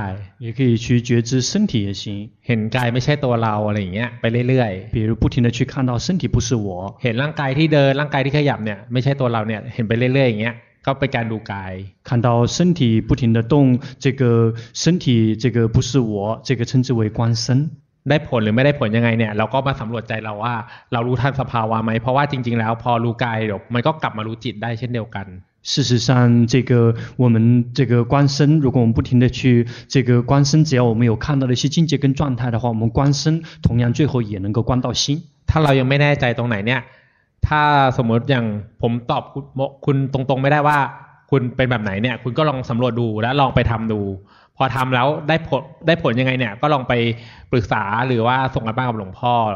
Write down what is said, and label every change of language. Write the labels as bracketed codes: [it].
[zh] 也可以去觉知身体也行 [th] เห็นกายไม่ใช่ตัวเราอะไรอย่างเงี้ยไปเรื่อย [zh] ๆ比如不停的去看到身体不是我 [th] เห็นร่างกายที่เดินร่างกายที่ขยับเนี่ยไม่ใช่ตัวเราเนี่ยเห็นไปเรื่อยๆอย่างเงี้ยก็เป็นการดูกาย [zh] 看到身体不停的动这个身体这个不是我这个称之为观身 [th] ได้ผลหรือไม่ได้ผลยังไงเนี่ยเราก็มาสำรวจใจเราว่าเรารู้ทันสภาวะไหมเพราะว่าจริงๆแล้วพอรู้กายเดี๋ยวมันก็กลับมารู้จิตได้เช่นเดียวกัน [zh] 事实上这个我们这个观身如果我们不停地去这个观身只要我们有看到的一些境界跟状态的话我们观身同样最后也能够观到心 [th] ถ้าเรายังไม่แน่ใจตรงไหนเนี่ยถ้าสมมติอย่างผมตอบคุณตรงๆไม่ได้ว่าคุณเป็นแบบไหนเนี่ยคุณก็ลองสำรวจดูแล้วลองไปทำดูพอทำแล้วได้ผลยังไงเนี่ยก็ลองไปปรึกษาหรือว่าส่งกันบ้างกับหลวงพ่อ